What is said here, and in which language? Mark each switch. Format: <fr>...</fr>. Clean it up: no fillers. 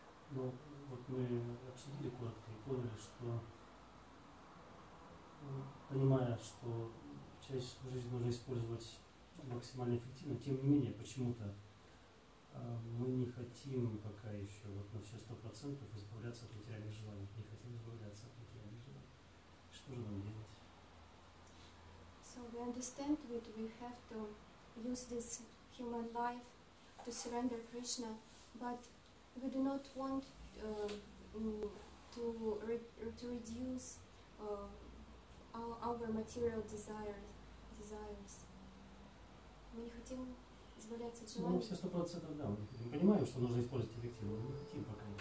<ru>Но вот мы обсудили коротко и поняли, что, понимая, что часть жизни нужно использовать максимально эффективно, тем не менее, почему-то мы не хотим пока еще вот на все 100% избавляться от материальных желаний. Не хотим избавляться от материальных желаний. Что же нам делать?</ru> <en>So we understand that we have to use this human life to surrender Krishna, but we do not want to reduce our material desires.</en> <ru>Мы не хотим. Ну, мы все 100% да, мы понимаем, что нужно использовать эффективно, но мы хотим пока не.</ru>